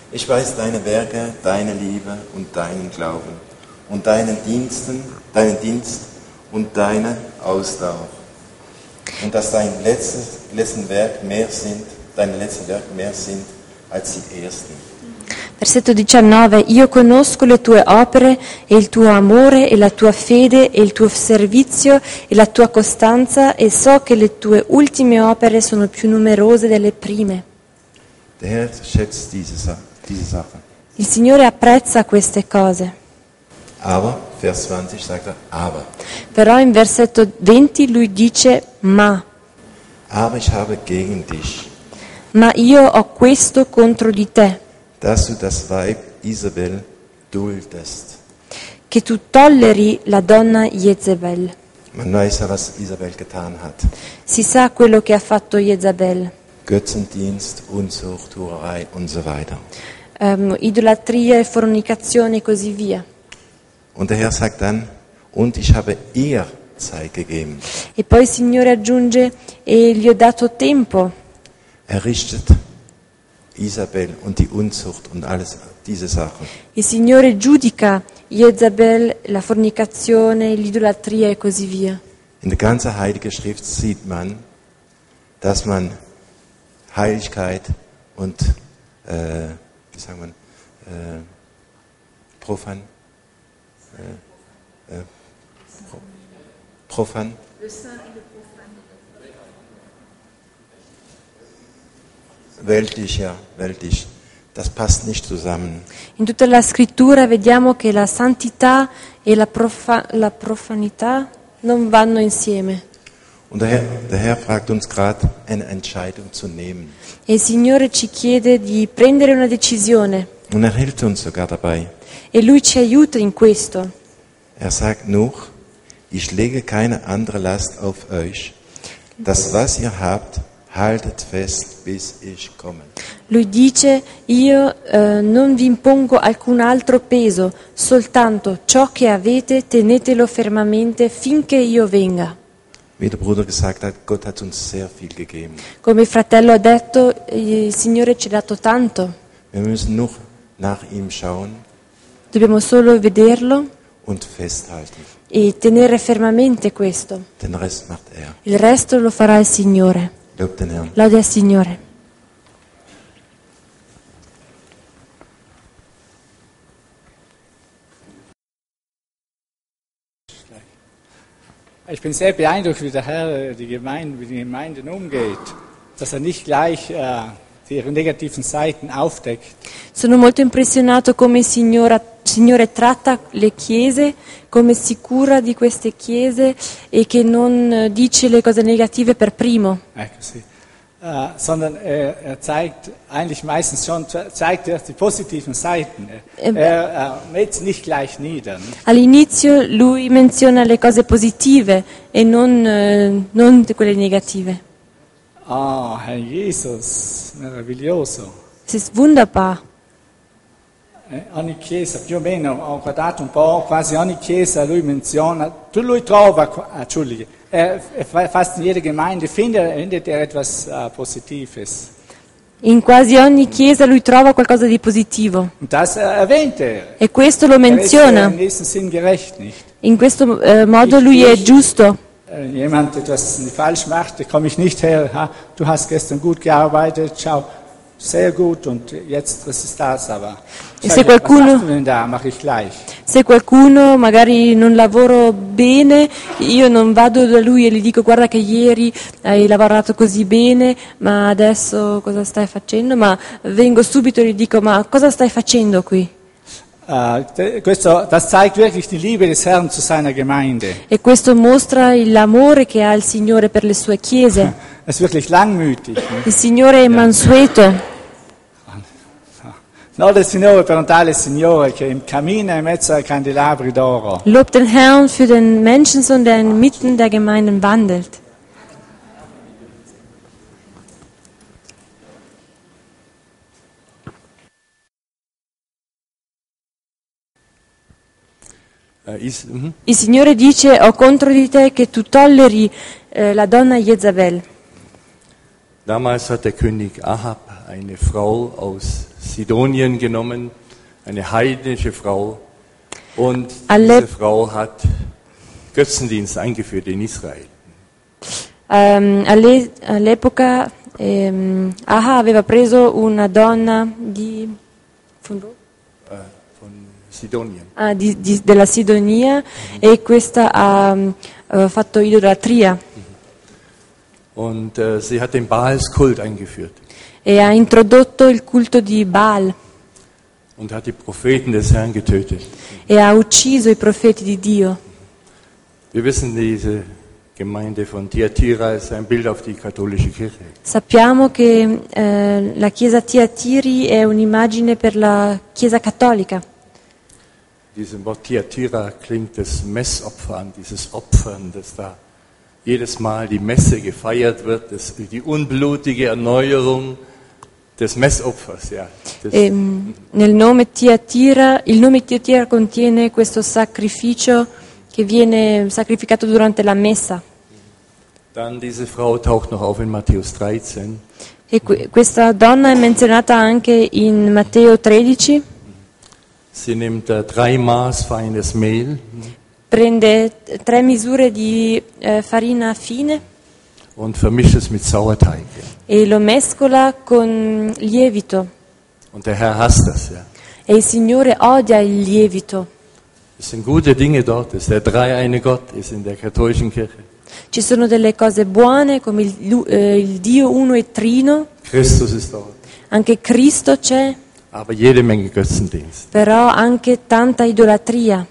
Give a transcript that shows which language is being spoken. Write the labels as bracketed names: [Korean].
[German] Ich weiß deine Werke, deine Liebe und deinen Glauben und deinen Dienst und deine Ausdauer. Und dass deine letzten Werke mehr sind als die ersten. [Italian] Versetto 19: Io conosco le tue opere e il tuo amore e la tua fede e il tuo servizio e la tua costanza e so che le tue ultime opere sono più numerose delle prime. [German] Der Herr schätzt diese Sache. [Italian] Il Signore apprezza queste cose. [German] Aber, Vers 20 sagt er, aber. [Italian] Però in versetto 20 lui dice ma. [German] Aber ich habe gegen dich. [Italian] Ma io ho questo contro di te. [German] Dass du das Weib Isabel duldest. [Italian] Che tu tolleri la donna Jezebel. [German] Man weiß ja, was Isabel getan hat. [Italian] Si sa quello che ha fatto Jezebel. [German] Götzendienst, Unzucht, Hurerei und so weiter. [Italian] Idolatria e fornicazione e così via. [German] Und der Herr sagt dann, und ich habe ihr Zeit gegeben. [Italian] E poi il Signore aggiunge, e gli ho dato tempo. [German] Er richtet Isabel und die Unzucht und alles diese Sachen. [Italian] Il Signore giudica Jezabel, la fornicazione, l'idolatria e così via. [German] In der ganzen Heiligen Schrift sieht man, dass man Heiligkeit und wie sagt man profan. Weltlich. Das passt nicht zusammen. [Italian] In tutta la scrittura vediamo che la santità e la profanità non vanno insieme. [German] Und der Herr fragt uns gerade eine Entscheidung zu nehmen. [Italian] E il Signore ci chiede di prendere una decisione. [German] Und er hilft uns sogar dabei. [Italian] E lui ci aiuta in questo. [German] Er sagt noch, ich lege keine andere Last auf euch. Das was ihr habt, haltet fest, bis ich komme. [Italian] Lui dice, io non vi impongo alcun altro peso, soltanto ciò che avete, tenetelo fermamente finché io venga. [German] Wie der Bruder gesagt hat, Gott hat uns sehr viel gegeben. [Italian] Come il fratello ha detto, il Signore ci ha dato tanto. [German] Wir müssen nur nach ihm schauen. [Italian] Dobbiamo solo vederlo. [German] Und festhalten. [Italian] E tenere fermamente questo. [German] Den Rest macht er. [Italian] Il resto lo farà il Signore. Lode al Signore. [German] Ich bin sehr beeindruckt, wie der Herr mit den Gemeinden umgeht, dass er nicht gleich ihre negativen Seiten aufdeckt. [Italian] Sono molto impressionato come il Signore tratta le chiese, come si cura di queste chiese e che non dice le cose negative per primo. Ecco sì. [German] Sondern er zeigt eigentlich meistens schon zeigt er die positiven Seiten. Er mäht's nicht gleich nieder. [Italian] All'inizio lui menziona le cose positive e non quelle negative. [German] Oh, Herr Jesus, [Italian] meraviglioso. [German] Es ist wunderbar. [Italian] Ogni chiesa, più o meno, ho guardato un po', quasi ogni chiesa lui menziona, lui trova, [German] fast in jeder Gemeinde findet er etwas Positives. [Italian] In quasi ogni chiesa lui trova qualcosa di positivo. [German] Das erwähnt er. [Italian] E questo lo menziona. [German] Er ist in diesem Sinn gerecht, nicht? [Italian] In questo modo lui è giusto. [German] Jemand etwas falsch macht, komme ich nicht her, du hast gestern gut gearbeitet, ciao. Sehr gut und jetzt das ist das aber. [Italian] E se qualcuno [German] mache ich gleich. [Italian] Se qualcuno magari non lavoro bene, io non vado da lui e gli dico guarda che ieri hai lavorato così bene, ma adesso cosa stai facendo? Ma vengo subito e gli dico ma cosa stai facendo qui? Questo [German] das zeigt wirklich die Liebe des Herrn zu seiner Gemeinde. [Italian] E questo mostra l'amore che ha il Signore per le sue chiese. [German] Es ist wirklich langmütig. [Italian] Il Signore è mansueto. Lode il Signore per un tale Signore che cammina in mezzo ai candelabri d'oro. [German] Lob den Herrn für den Menschensohn, der inmitten der Gemeinden wandelt. [Italian] Il Signore dice, ho contro di te che tu tolleri la donna Jezabel. [German] Damals hat der König Ahab eine Frau aus Sidonien genommen, eine heidnische Frau, und diese Frau hat Götzendienst eingeführt in Israel. [Italian] All'epoca Ahab aveva preso una donna di [German] Von wo? Von Sidonia. [Italian] Ah, della Sidonia, mm-hmm. E questa ha fatto idolatria. [German] Und sie hat den Baalskult eingeführt. [Italian] E ha introdotto il culto di Baal. [German] Und hat die Propheten des Herrn getötet. [Italian] E ha ucciso i profeti di Dio. [German] Wir wissen, diese Gemeinde von Thyatira ist ein Bild auf die katholische Kirche. [Italian] Sappiamo che la chiesa Thyatira è un'immagine per la chiesa cattolica. [German] Dieses Wort Thyatira klingt das Messopfer an, dieses Opfern, das da jedes Mal die Messe gefeiert wird, das, die unblutige Erneuerung des Messopfers, ja. [Italian] Nel nome Thyatira, il nome Thyatira contiene questo sacrificio che viene sacrificato durante la messa. [German] Dann diese Frau taucht noch auf in Matthäus 13. [Italian] E questa donna è menzionata anche in Matteo 13. [German] Sie nimmt drei Maß feines Mehl. [Italian] Prende tre misure di farina fine. [German] Und vermischt es mit Sauerteig. [Italian] E lo mescola con lievito. [German] Und der Herr hasst das, ja. [Italian] E il Signore odia il lievito. [German] Es sind gute Dinge dort, es ist der dreieine Gott, ist in der katholischen Kirche. [Italian] Ci sono delle cose buone come il Dio uno e trino. [German] Christus ist dort. [Italian] Anche Cristo c'è. [German] Aber jede Menge Götzendienst. [Italian] Però anche tanta idolatria.